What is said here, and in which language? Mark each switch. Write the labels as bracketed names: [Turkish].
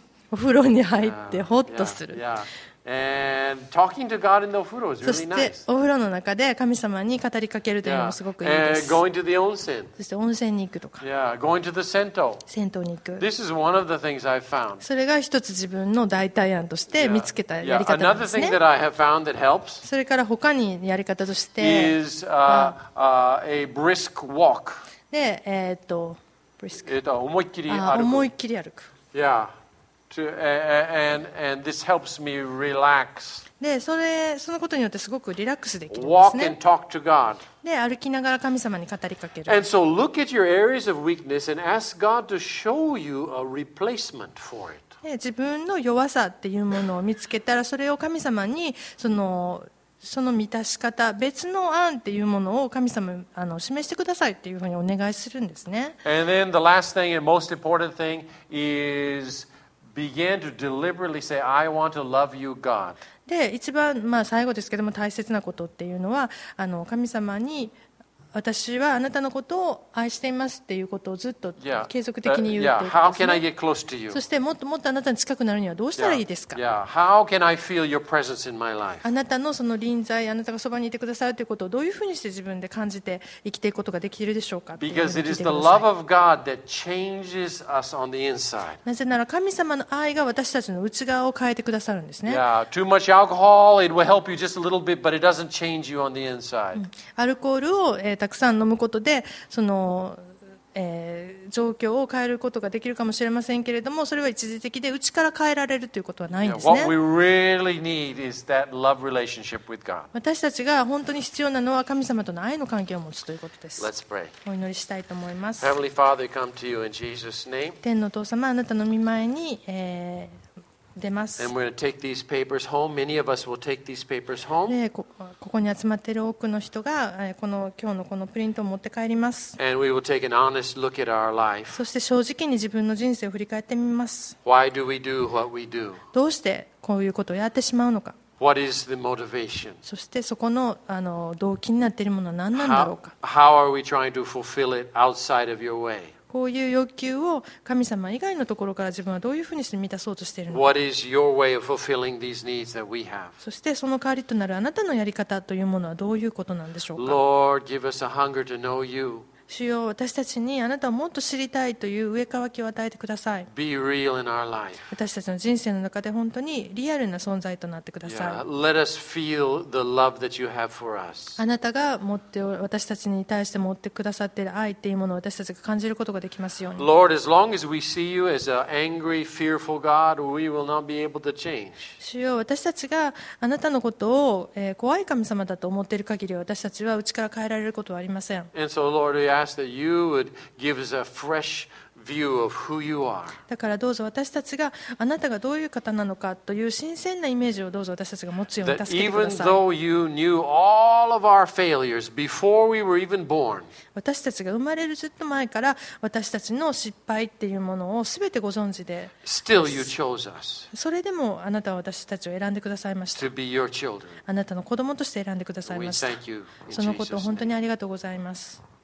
[Japanese] お風呂に入ってホッとする。 [English] And talking to God in the 風呂 is really nice. [Japanese] そしてお風呂の中で神様に語りかけるというのもすごくいいです。 [English] Going to the 温泉。 [Japanese] そして温泉に行くとか。 [English] Yeah. Going to the 銭湯。 [Japanese] 銭湯に行く。 [English] This is one of the things I found. [Japanese] それが一つ自分の代替案として見つけたやり方ですね。 [English] Another thing that I have found that helps. [Japanese] それから他にやり方として [English] is a brisk walk. [Japanese] で、 brisk. 思いっきり歩く。思いっきり歩く。 [English] Yeah. And this helps me relax. [Japanese] で、そのことによってすごくリラックスできるんです [English] ね。Walk and talk to God. [Japanese] で、歩きながら神様に語りかける。 [English] And so look at your areas of weakness and ask God to show you a replacement for it. [Japanese] で、自分の弱さっていうものを見つけたら、それを神様にその満たし方、別の案っていうものを神様示してくださいっていうふうにお願いするんですね。 [English] And then the last thing and most important thing is. Began to deliberately say, "I want to love you, God." [Japanese] で、一番まあ最後ですけども大切なことっていうのは、神様に私はあなたのことを愛していますっていうことをずっと継続的に言うっていうことですね。 [English] How can I get close to you? [Japanese] そしてもっともっとあなたに近くなるにはどうしたらいいですか。 [English] How can I feel your presence in my life? [Japanese] あなたのその臨在、あなたがそばにいてくださるということをどういうふうにして自分で感じて生きていくことができるでしょうか。 [English] Because it is the love of God that changes us on the inside. [Japanese] なぜなら神様の愛が私たちの内側を変えてくださるんですね。 [English] Too much alcohol, it will help you just a little bit, but it doesn't change you on the inside. [Japanese] アルコールをたくさん飲むことでその、状況を変えることができるかもしれませんけれども、それは一時的で内から変えられるということはないんですね。 [English] What we really need is that love relationship with God. [Japanese] 私たちが本当に必要なのは神様との愛の関係を持つということです。 [English] Let's pray. [Japanese] お祈りしたいと思います。 [English] Heavenly Father, come to you in Jesus' name. [Japanese] 天の父様、あなたの御前に、出ます。 [English] And we're going to take these papers home. Many of us will take these papers home. [Japanese] で、ここに集まっている多くの人が、この今日のこのプリントを持って帰ります。 [English] And we will take an honest look at our life. [Japanese] そして正直に自分の人生を振り返ってみます。 [English] Why do we do what we do? [Japanese] どうしてこういうことをやってしまうのか。 [English] What is the motivation? [Japanese] そしてそこの、動機になっているものは何なんだろうか。 [English] How are we trying to fulfill it outside of your way? [Japanese] こういう欲求を神様以外のところから自分はどういうふうにして満たそうとしているのか。 [English] What is your way of fulfilling these needs that we have? [Japanese] そしてその代わりとなるあなたのやり方というものはどういうことなんでしょうか。 [English] Lord, give us a hunger to know you. [Japanese] 主よ、私たちにあなたをもっと知りたいという上渇きを与えてください。 [English] Be real in our life. [Japanese] 私たちの人生の中で本当にリアルな存在となってください。 [English] Yeah, let us feel the love that you have for us. [Japanese] あなたが持って私たちに対して持ってくださっている愛っていうものを私たちが感じることができますように。 [English] Lord, as long as we see you as an angry, fearful God, we will not be able to change. [Japanese] 主よ、私たちがあなたのことを、怖い神様だと思っている限り私たちは内から変えられることはありません。 [English] And so, Lord, we ask that you would give us a fresh view of who you are. [Japanese] だからどうぞ私たちがあなたがどういう方なのかという新鮮なイメージをどうぞ私たちが持つように助けてください。 [English] That even though you knew all of our failures before we were even born. [Japanese] 私たちが生まれるずっと前から私たちの失敗っていうものをすべてご存知で。 [English] Still you chose us. [Japanese] それでもあなたは私たちを選んでくださいました。 [English] To be your children. [Japanese] あなたの子供として選んでくださいました。 [English] We thank you. [Japanese] そのことを本当にありがとうございます。